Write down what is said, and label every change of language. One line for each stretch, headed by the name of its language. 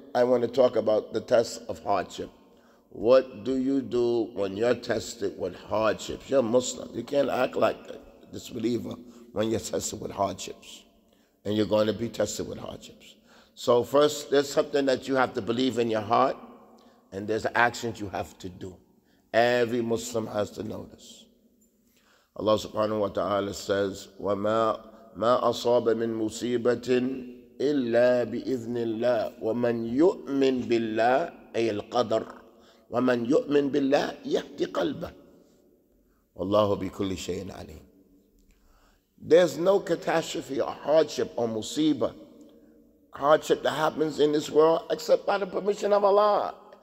English: I want to talk about the test of hardship. What do you do when you're tested with hardships? You're Muslim. You can't act like a disbeliever when you're tested with hardships. And you're going to be tested with hardships. So first, there's something that you have to believe in your heart, and there's actions you have to do. Every Muslim has to know this. Allah subhanahu wa ta'ala says,
Arabic: وَمَا مَا أَصَابَ مِن مُصِيبَةٍ إِلَّا بِإِذْنِ اللَّهِ وَمَنْ يُؤْمِن بِاللَّهِ أَيَ الْقَدَرِ وَمَنْ يُؤْمِن بِاللَّهِ يَهْدِ قَلْبَهِ وَاللَّهُ بِكُلِّ شَيْءٍ عَلِيمٍ.
English: There's no catastrophe or hardship or musiba, hardship that happens in this world except by the permission of Allah.